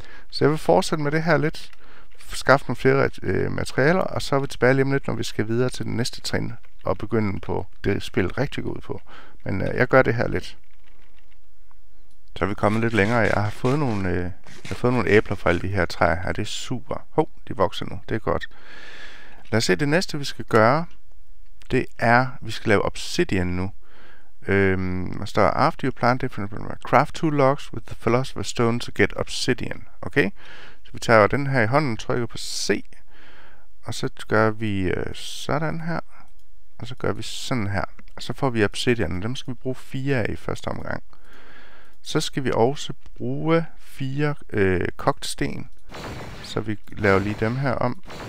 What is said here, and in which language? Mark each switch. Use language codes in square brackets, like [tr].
[da] Så jeg vil fortsætte med det her lidt. Skaffe nogle flere materialer, og så er vi tilbage lige om lidt, når vi skal videre til den næste trin og begynde på det spil rigtig godt på. Men jeg gør det her lidt. Så er vi kommet lidt længere. Jeg har fået nogle æbler fra alle de her træer her. Det er super. De vokser nu. Det er godt. Lad os se, det næste vi skal gøre, det er, vi skal lave obsidian nu. Man står, [en] after you plant different, craft two logs with the philosopher's stone to get obsidian. [da] Okay? Så vi tager den her i hånden, trykker på C, og så gør vi sådan her, og så gør vi sådan her. Og så får vi obsidian, og dem skal vi bruge 4 af i første omgang. Så skal vi også bruge 4 kogt sten, så vi laver lige dem her om.